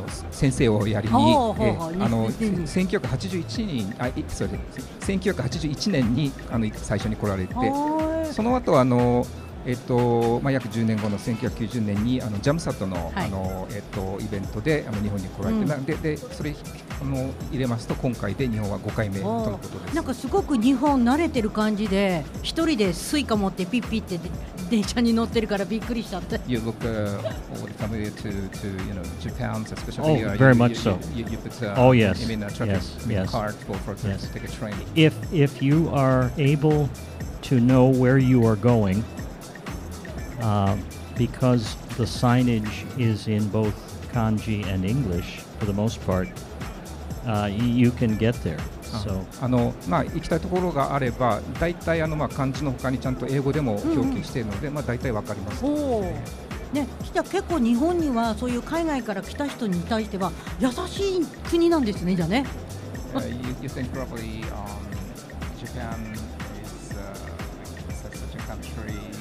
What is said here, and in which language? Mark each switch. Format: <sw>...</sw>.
<ja>先生をやりに、1981年に最初に来られて、その後は約10年後の1990年にジャムサットの、はい、イベントで日本に来られて、うん、でそれ入れますと今回で日本は5回目とのことです。なんかすごく日本慣れてる感じで、一人でスイカ持ってピッピッって電車に乗ってるからびっくりしちゃって。</ja> <en>You look all familiar to you know, Japan, especially. Oh, very much so. You put a car for to take a train. If you are able to know where you are goingBecause the signage is in both kanji and English for the most part, you can get there. So,</en> <ja>行きたいところがあれば、大体漢字の他にちゃんと英語でも表記しているので、うんうん、大体わかります。おお。ね、じゃあ結構日本にはそういう海外から来た人に対しては優しい国なんですね、じゃね。</ja> <en>You think probably Japan is such a country.</en>